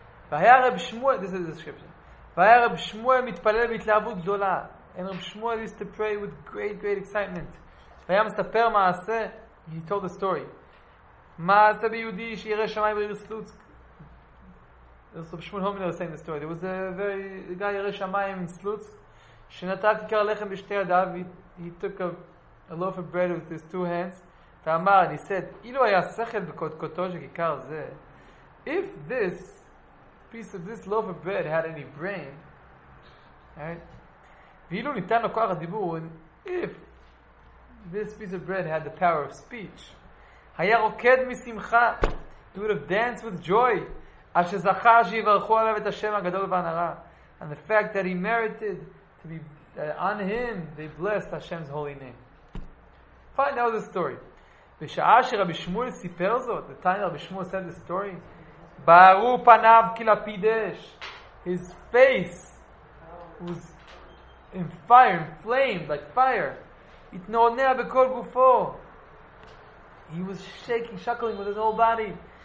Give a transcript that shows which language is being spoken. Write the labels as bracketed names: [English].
[English] This is the description. And Reb Shmuel used to pray with great excitement. He told the story. [Hebrew] מעשה ביהודי שירא שמיים בעיר סלוצק. רב שמואל הומינר [English] was saying the story. There was a guy [Hebrew] ירא שמיים in סלוצק שנתן כיכר לחם בשתי ידיו. [English] He took a loaf of bread with his two hands. [Hebrew] ואמר, [English] he said, [Hebrew] אילו היה שכל בקודקותו של כיכר זה, [English] if this piece of this loaf of bread had any brain, right? [Hebrew] ואילו ניתן לו כוח הדיבור, [English] if this piece of bread had the power of speech, [Hebrew] היה רוקד משמחה. [English] He would have danced with joy. [Hebrew] עד שזכה שיברכו עליו את השם הגדול והנערה. [English] And the fact that he merited to be on him, they blessed Hashem's holy name. Find out the story. [Hebrew] בשעה שרבי שמואל סיפר זאת, [English] the time רבי שמואל said the story, [Hebrew] בערו פניו כלפידש. [English] His face was in fire, inflamed like fire. [Hebrew] התנעונע בכל גופו. [English] He was shaking, shuckling with his whole body.